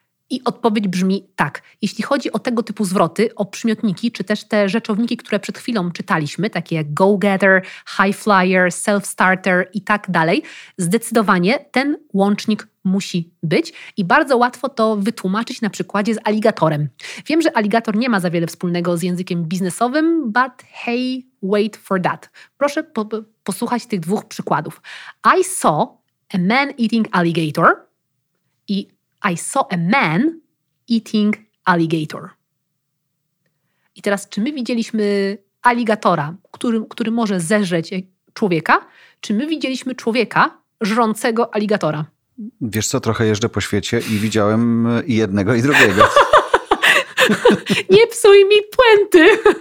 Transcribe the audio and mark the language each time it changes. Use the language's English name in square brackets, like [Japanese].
[Polish] I odpowiedź brzmi tak. Jeśli chodzi o tego typu zwroty, o przymiotniki, czy też te rzeczowniki, które przed chwilą czytaliśmy, takie jak go-getter, high flyer, self-starter i tak dalej, zdecydowanie ten łącznik musi być. I bardzo łatwo to wytłumaczyć na przykładzie z aligatorem. Wiem, że aligator nie ma za wiele wspólnego z językiem biznesowym, [English] but hey, wait for that. [Polish] Proszę posłuchać tych dwóch przykładów. [English] I saw a man eating alligator [Polish] i [English] I saw a man eating alligator. [Polish] I teraz, czy my widzieliśmy aligatora, który może zeżrzeć człowieka? Czy my widzieliśmy człowieka żrącego aligatora? Wiesz co, trochę jeżdżę po świecie i widziałem i jednego, i drugiego. Nie psuj mi puenty!